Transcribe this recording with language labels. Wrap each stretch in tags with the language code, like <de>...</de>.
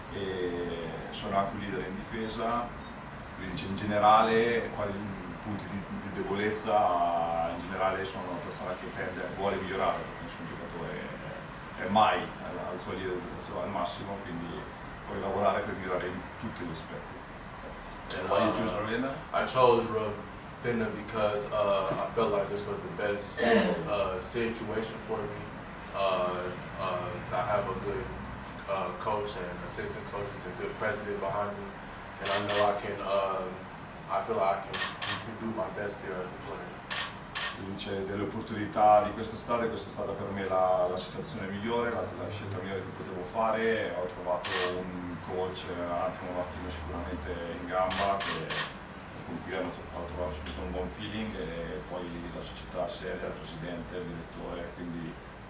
<it>E sono anche un leader in difesa, quindi in generale quali punti di debolezza in generale sono una persona che tende, vuole migliorare, perché nessun giocatore è mai al suo livello al massimo, quindi puoi lavorare per migliorare in tutti gli aspetti.</it> <en>Why you chose Ravenna? I chose Ravenna because I felt like this was the best situation for me. I have a good coach and assistant coach is a good president behind me, and I know I can. I feel like I can do my best here as a player.</en> <it>Dice delle opportunità di questa strada per me la situazione migliore, la scelta migliore che potevo fare. Ho trovato un coach un attimo sicuramente in gamba che con cui hanno trovato subito un buon feeling, e poi la società seria, il presidente, il direttore, quindi.</it>